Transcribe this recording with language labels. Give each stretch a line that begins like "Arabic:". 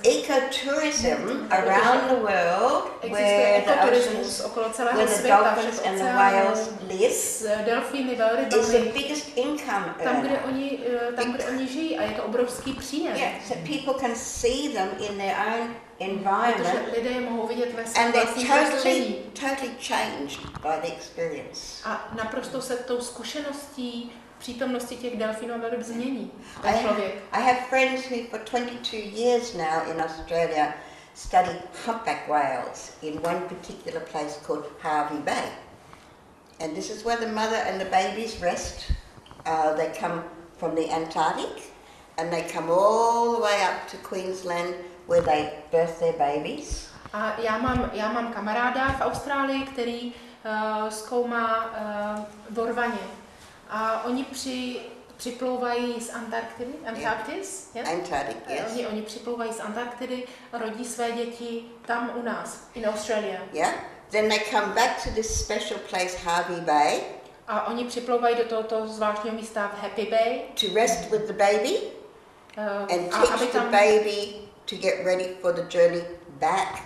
English: Ecotourism around the world, where the oceans,
Czech: okolo celého
English: where the
Czech: světa,
English: dolphins and the whales live, is the biggest income earner.
Czech: Tam, kde oni žijí, a je to obrovský příjem.
English: Yeah, so people can see them in their own environment.
Czech: Protože lidé je mohou vidět ve svém vlastním prostředí.
English: And they're totally changed by the experience.
Czech: A naprosto se tou zkušeností přítomnosti těch delfínů velmi změní ten člověk.
English: I have friends who for 22 years now in Australia studied humpback whales in one particular place called Harvey Bay. And this is where the mother and the babies rest. They come from the Antarctic and they come all the way up to Queensland where they birth their babies.
Czech: A já mám kamaráda v Austrálii, který zkoumá dorvaně. A oni připlouvají z Antarktidy.
English: Yes.
Czech: Oni připlouvají z Antarktidy, rodí své děti tam u nás
English: in Australia. Yeah. Then they come back to this special place Harvey Bay.
Czech: A oni připlouvají do tohoto zvláštního místa v Happy Bay.
English: To rest with the baby. And teach the baby to get ready for the journey back.